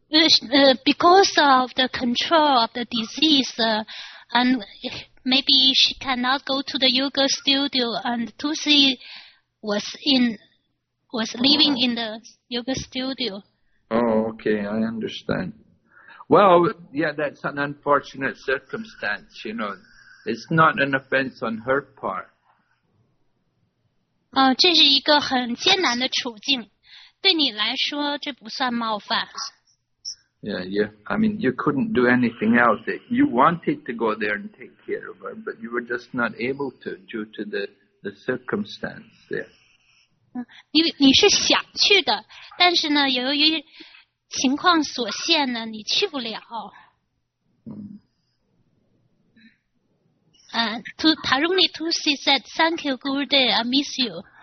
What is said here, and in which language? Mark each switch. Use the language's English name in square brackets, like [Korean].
[English] Because of the control of the disease, and maybe she cannot go to the yoga studio, and Tusi was living in the yoga studio. Oh, okay, I understand. Well, yeah, that's an unfortunate circumstance, you know. It's not an offense on her part. [Chinese] Oh, 这是一个很艰难的处境，对你来说这不算冒犯。 [English] Yeah, I mean, you couldn't do anything else. You wanted to go there and take care of her, but you were just not able to due to the circumstance there. [Chinese] 你是想去的，但是呢，由于情况所限呢，你去不了。 [English] Tarungi Tusi said, thank you, Gurudev, I miss you.